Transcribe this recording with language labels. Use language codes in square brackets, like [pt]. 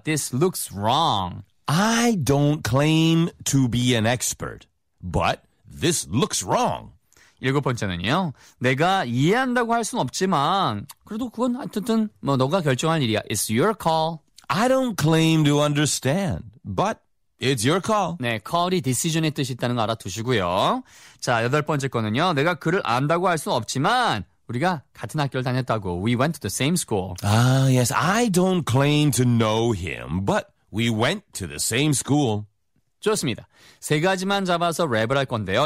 [en] This looks wrong. I don't claim to be an expert, but this looks wrong. [ko] 일곱 번째는요. 내가 이해한다고 할 순 없지만 그래도 그건 하여튼 뭐 너가 결정할 일이야. [en] It's your call. I don't claim to understand, but it's your call. [ko] 네, call이 decision의 뜻이 있다는 거 알아두시고요. 자, 여덟 번째 거는요. 내가 그를 안다고 할 순 없지만 우리가 같은 학교를 다녔다고. [en] We went to the same school. Yes, I don't claim to know him, but we went to the same school. [ko] 좋습니다. 세 가지만 잡아서 랩을 할 건데요.